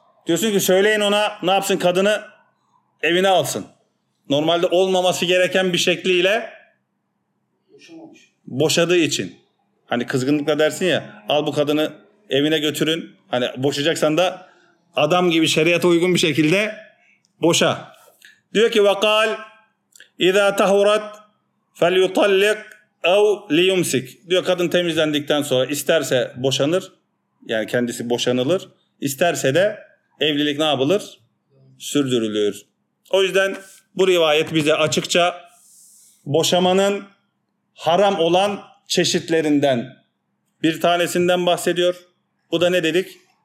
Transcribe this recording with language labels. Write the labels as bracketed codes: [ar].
[tr] Diyorsun ki söyleyin ona, ne yapsın, kadını evine alsın. Normalde olmaması gereken bir şekliyle boşadığı için. Hani kızgınlıkla dersin ya, al bu kadını evine götürün. Hani boşayacaksan da adam gibi şeriata uygun bir şekilde boşa. Diyor ki [ar] وَقَالْ اِذَا تَهُرَتْ فَلْيُطَلِّقْ اَوْ لِيُمْسِكْ. [tr] Diyor kadın temizlendikten sonra isterse boşanır. Yani kendisi boşanılır. İsterse de evlilik ne yapılır? Sürdürülür. O yüzden bu rivayet bize açıkça boşamanın haram olan çeşitlerinden bir tanesinden bahsediyor. Bu da ne dedik?